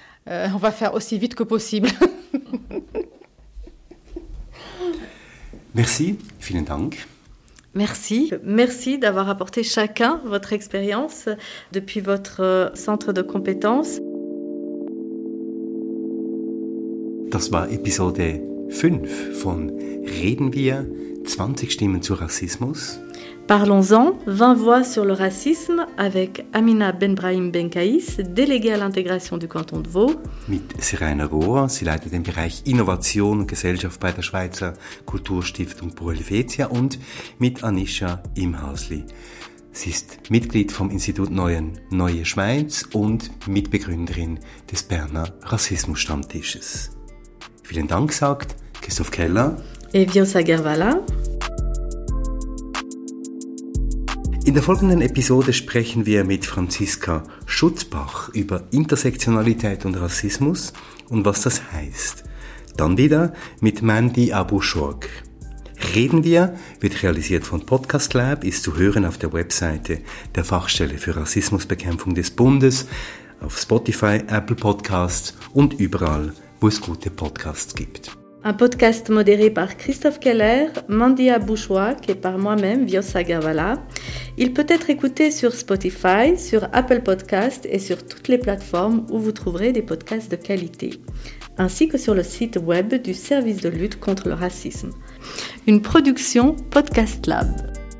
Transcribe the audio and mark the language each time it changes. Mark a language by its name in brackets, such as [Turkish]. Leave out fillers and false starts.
[French] On va faire aussi vite que possible. [German] Merci, vielen Dank. [French] Merci. Merci d'avoir apporté chacun votre expérience depuis votre centre de compétences. [German] Das war Episode 5 von Reden wir, 20 Stimmen zu Rassismus. [French] Parlons-en, 20 voix sur le racisme avec Amina Benbrahim Benkaïs, déléguée à l'intégration du canton de Vaud. [German] Mit Sirena Rohr, sie leitet den Bereich Innovation und Gesellschaft bei der Schweizer Kulturstiftung Pro Helvetia und mit Anisha Imhausli. Sie ist Mitglied vom Institut Neue Schweiz und Mitbegründerin des Berner Rassismus-Stammtisches. Vielen Dank, sagt Christoph Keller. [French] Et bien Sagervala. [German] In der folgenden Episode sprechen wir mit Franziska Schutzbach über Intersektionalität und Rassismus und was das heißt. Dann wieder mit Mandy Abu-Schorg. Reden wir wird realisiert von Podcast Lab, ist zu hören auf der Webseite der Fachstelle für Rassismusbekämpfung des Bundes, auf Spotify, Apple Podcasts und überall, wo es gute Podcasts gibt. [French] Un podcast modéré par Christophe Keller, Mandy Abouchouak et par moi-même, Viosa Gavala. Il peut être écouté sur Spotify, sur Apple Podcasts et sur toutes les plateformes où vous trouverez des podcasts de qualité, ainsi que sur le site web du service de lutte contre le racisme. Une production Podcast Lab.